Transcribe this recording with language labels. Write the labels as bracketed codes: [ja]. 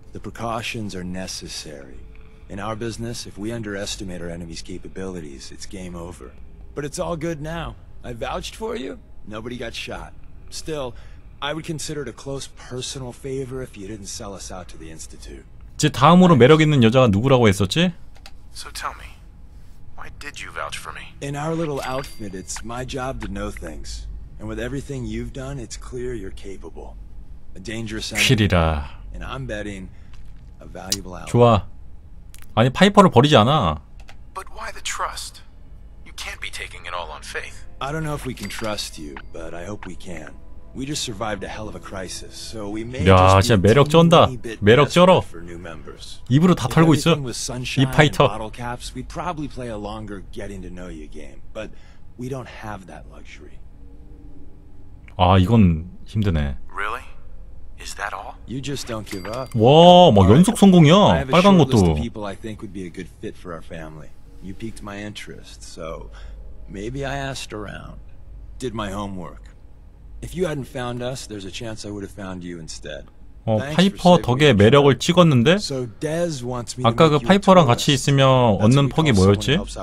[en] The precautions are necessary. In our business, if we underestimate our enemy's capabilities, it's game over. But it's all good now. I vouched for you. Nobody got shot. Still, I would consider it a close personal favor if you didn't sell us out to the institute. [ko] 이제 다음으로 매력 있는 여자가 누구라고 했었지? [en] So tell me, why did you vouch for me? In our little outfit, it's my job to know things. And with everything you've done, it's clear you're capable. A dangerous enemy. And I'm betting a valuable ally. [ko] 좋아. 아니 파이퍼를 버리지 않아. [en] But why the trust? You can't be taking it all on faith. I don't know if we can trust you, but I hope we can. We just survived a hell of a crisis, so we may. [ko] 야, 진짜 매력 쩐다. 매력 쩔어. 입으로 다 털고 있어. 이 파이터. [en] Bottle caps, we'd probably play a longer getting to know you game, but we don't have that luxury. [ko] 아, 이건 힘드네. [en] Really? Is that all? You just don't give up. [ko] 와, 막 연속 성공이야. 빨간 것도. [en] People I think would be a good fit for our family. You piqued my interest, so maybe I asked around. Did my homework. If you hadn't found us, there's a chance I would have found you instead. [ko] 어, 파이퍼 덕에 매력을 찍었는데? 아까 그 파이퍼랑 같이 있으면 얻는 폭이 뭐였지?